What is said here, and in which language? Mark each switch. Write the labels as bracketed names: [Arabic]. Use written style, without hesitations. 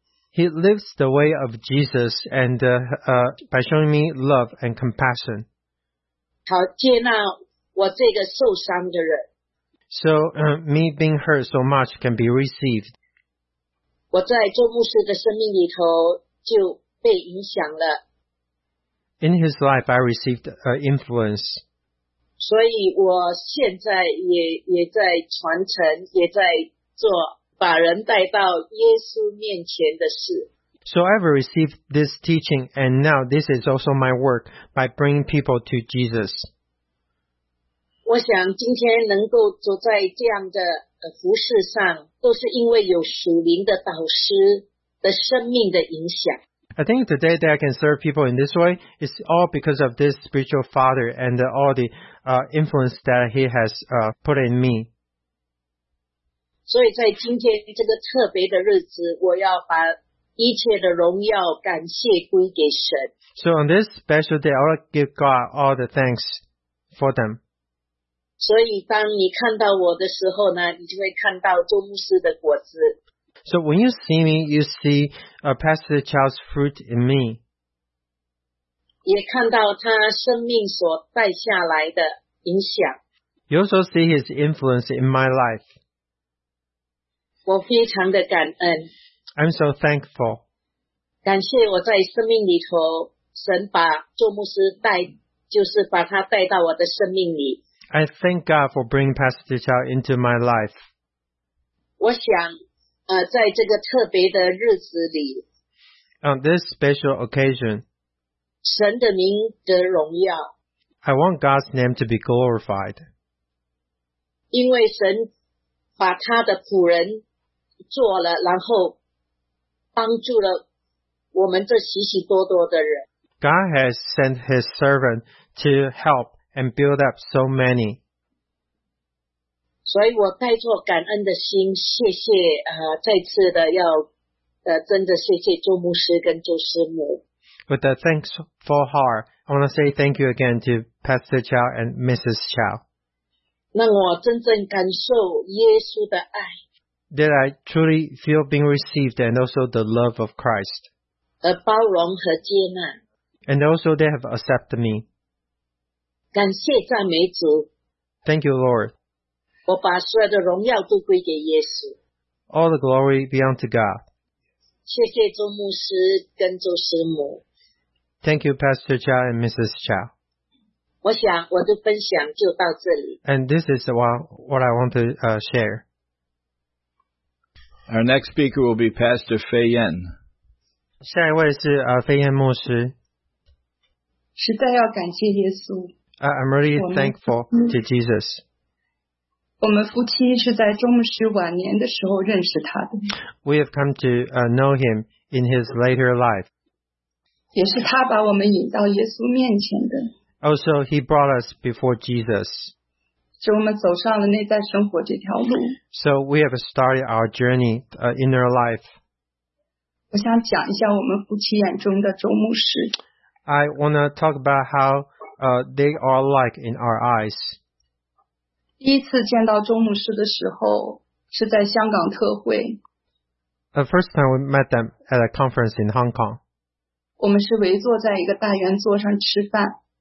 [English] He lives the way of Jesus and by showing me love and compassion. [Chinese] 好，接纳我这个受伤的人。 [English] So me being hurt so much can be received. [Chinese] 我在周牧师的生命里头就被影响了。 [English] In his life, I received influence. [Chinese] 所以我现在 也在传承，也在做把人带到耶稣面前的事。 [English] So I've received this teaching, and now this is also my work by bringing people to Jesus. [Chinese] 我想今天能够走在这样的服事上，都是因为有属灵的导师的生命的影响。 [English] I think today that I can serve people in this way is all because of this spiritual father and all the influence that he has put in me. [Chinese] 所以在今天这个特别的日子，我要把一切的荣耀感谢归给神。 [English] So on this special day, I want to give God all the thanks for them. [Chinese] 所以当你看到我的时候呢，你就会看到周牧师的果子。 [English] So when you see me, you see Pastor Charles' fruit in me. [Chinese] 也看到他生命所带下来的影响。 [English] You also see his influence in my life. [Chinese] 我非常的感恩。 [English] I'm so thankful. [Chinese] 感谢我在生命里头，神把周牧师带，就是把他带到我的生命里。 [English] I thank God for bringing Pastor Chow into my life. [Chinese] 我想，在这个特别的日子里 [English] ，On this special occasion, [Chinese] 神的名得荣耀。 [English] I want God's name to be glorified. [Chinese] 因为神把他的仆人做了，然后帮助了我们这许许多多的人。 [English] God has sent His servant to help and build up so many. [Chinese] 所以我带着感恩的心，谢谢再次的要真的谢谢周牧师跟周师母。 [English] With a thankful heart, I want to say thank you again to Pastor Chow and Mrs. Chow. [Chinese] 让我真正感受耶稣的爱。 [English] That I truly feel being received and also the love of Christ. [Chinese] 而包容和接纳。 [English] And also they have accepted me. [Chinese] 感谢赞美主。 [English] Thank you, Lord. [Chinese] 我把所有的荣耀都归给耶稣。 [English] All the glory be unto God. [Chinese] 谢谢周牧师跟周师母。 [English] Thank you, Pastor Chow and Mrs. Chow. [Chinese] 我想我的分享就到这里。 [English] And this is what I want to share. Our next speaker will be Pastor Fei Yan. [Chinese] 下一位是Fei Yan牧师。实在要感谢耶稣。 [English] I'm really thankful to Jesus. [Chinese] 我们夫妻是在周牧师晚年的时候认识他的。 [English] We have come to know him in his later life. [Chinese] 也是他把我们引到耶稣面前的。 [English] Also, he brought us before Jesus. [Chinese] 是我们走上了内在生活这条路。 [English] So we have started our journey inner life. [Chinese] 我想讲一下我们夫妻眼中的周牧师。 [English] I want to talk about how they are like in our eyes. [Chinese] 第一次见到周牧师的时候是在香港特会。 [English] The first time we met them at a conference in Hong Kong. [Chinese] 我们是围坐在一个大圆桌上吃饭。